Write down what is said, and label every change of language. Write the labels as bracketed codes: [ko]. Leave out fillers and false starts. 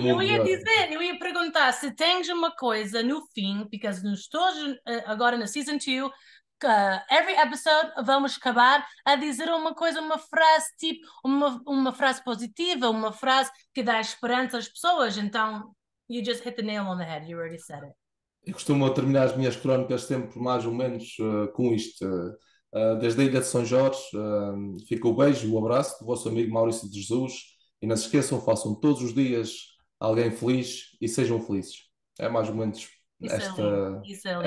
[pt] o mundo melhor. eu ia perguntar se tens uma coisa no fim, [en] because [pt] não estou agora na [en] season 2, every episode [pt] vamos acabar a dizer uma coisa, uma frase tipo, uma frase positiva, uma frase que dá esperança às pessoas. Então, [en] you just hit the nail on the head, you already said it. [pt] Costumo terminar as minhas crónicas sempre mais ou menos com isto. Desde a Ilha de São Jorge, fica o beijo e o abraço do vosso amigo Maurício de Jesus. E não se esqueçam, façam todos os dias alguém feliz e sejam felizes. É mais ou menos Isso é